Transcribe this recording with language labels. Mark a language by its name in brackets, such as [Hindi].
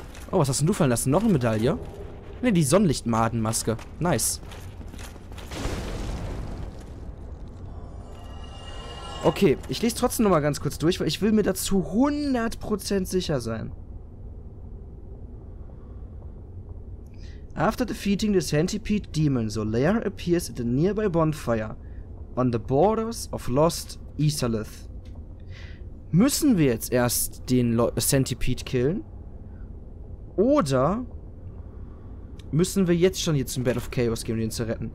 [German] Oh, was hast denn du fallen lassen? Noch eine Medaille? Ne, die Sonnenlichtmadenmaske. Nice. Okay, ich lese trotzdem nochmal ganz kurz durch, weil ich will mir dazu 100% sicher sein. [English] After defeating the centipede demon, Zolaire appears at a nearby bonfire on the borders of Lost Isalith. [German] Müssen wir jetzt erst den Centipede killen? Oder müssen wir jetzt schon hier zum Battle of Chaos gehen, um ihn zu retten?